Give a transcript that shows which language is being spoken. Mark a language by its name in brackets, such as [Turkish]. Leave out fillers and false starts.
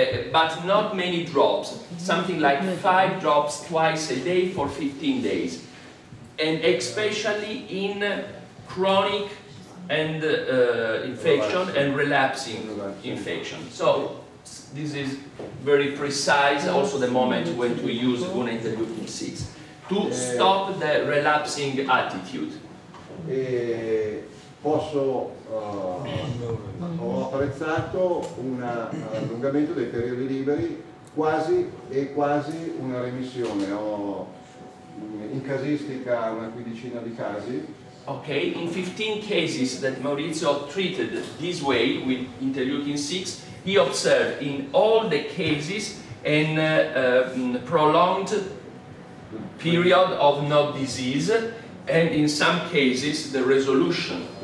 [English] but not many drops, something like 5 drops twice a day for 15 days, and especially in chronic and infection and relapsing infection. So this is very precise, also the moment when to use Guna interleukin 6. To stop the relapsing attitude. [Italian] E posso, ho apprezzato un allungamento dei periodi liberi quasi una remissione. Ho in casistica una quindicina di casi. [English] Ok, in 15 cases that Maurizio treated this way with interleukin 6, he observed in all the cases an prolonged period of no disease, and in some cases the resolution.